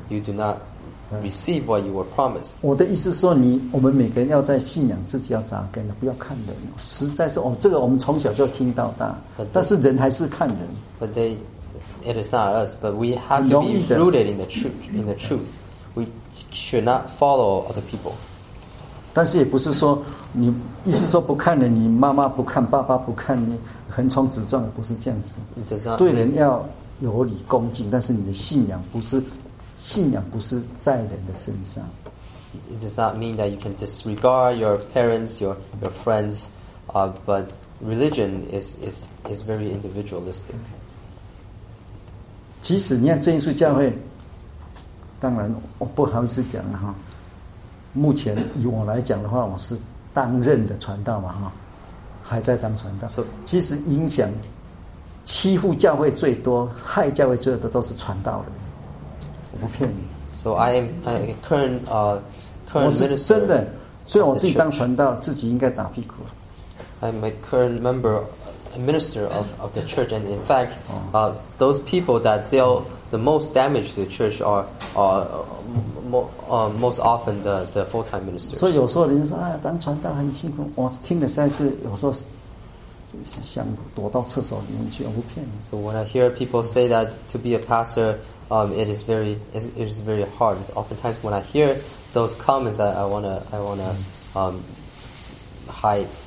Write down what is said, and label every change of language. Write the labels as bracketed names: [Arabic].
[English] You do not receive what you were promised. [Chinese] 我的意思是说你，我们每个人要在信仰自己要扎根的，不要看人。实在是，这个我们从小就听到大，但是人还是看人。 [English] But they, it is not us, but we have to be rooted in the truth. In the truth, we should not follow other people. [Chinese] 但是也不是说你意思说不看人，你妈妈不看，爸爸不看你，横冲直撞，不是这样子。对人要有礼恭敬，但是你的信仰不是，信仰不是在人的身上。 [English] It does not mean that you can disregard your parents, your friends, but religion is very individualistic. [Chinese] 即使你看正耶稣教会，当然我不好意思讲了哈。目前以我来讲的话，我是担任的传道嘛，哈，还在当传道。其实影响、欺负教会最多、害教会最多的都是传道的，我不骗你。 [English] So I am a current minister. [Chinese] 我是真的，虽然我自己当传道，自己应该打屁股。 [English] I'm a current member, a minister of the church, and in fact, those people that deal the most damage to the church are most often the full-time ministers. [Chinese] 所以有时候人说啊，当传道很辛苦。我听的实在是有时候想躲到厕所里面去，我不骗你。 [English] So when I hear people say that to be a pastor, it is very hard. Oftentimes when I hear those comments, I wanna hide.